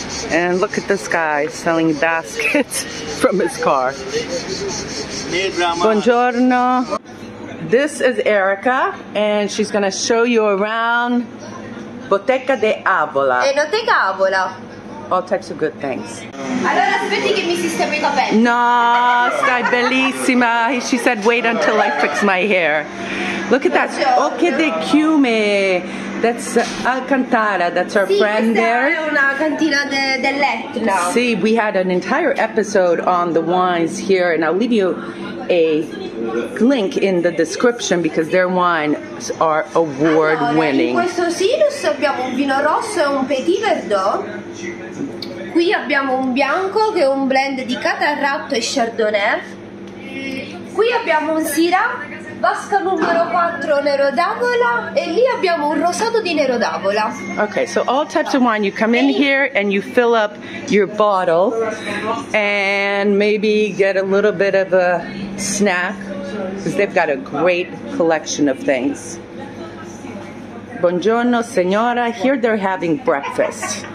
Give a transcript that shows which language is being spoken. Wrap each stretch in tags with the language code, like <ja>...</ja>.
<en>And look at this guy selling baskets from his car.</en> <it>Buongiorno.</it> <en>This is Erica, and she's gonna show you around Bottega di Avola.</en> <it>E Bottega Avola.</it> <en>All types of good things.</en> <it>Allora, aspetti che mi sistemo i capelli. No, stai bellissima.</it> <en>She said, wait until I fix my hair. Look at that.</en> <it>Occhio di chiume.</it> <en>That's Alcantara. That's our</en> <it>sì,</it> <en>friend there.</en> <it>Sì, questa è una cantina dell'Etna.</it> <en>Sì, we had an entire episode on the wines here, and I'll leave you a link in the description because their wines are award winning.</en> <it>Allora, in questo Sirus abbiamo un vino rosso e un petit verdot. Qui abbiamo un bianco che è un blend di Catarratto e Chardonnay. Qui abbiamo un Syrah, vasca numero 4 Nero d'Avola e lì abbiamo un rosato di Nero d'Avola.</it> <en>Okay, so all types of wine, you come in here and you fill up your bottle and maybe get a little bit of a snack. because they've got a great collection of things.</en> <it>Buongiorno, signora.</it> <en>Here they're having breakfast.</en>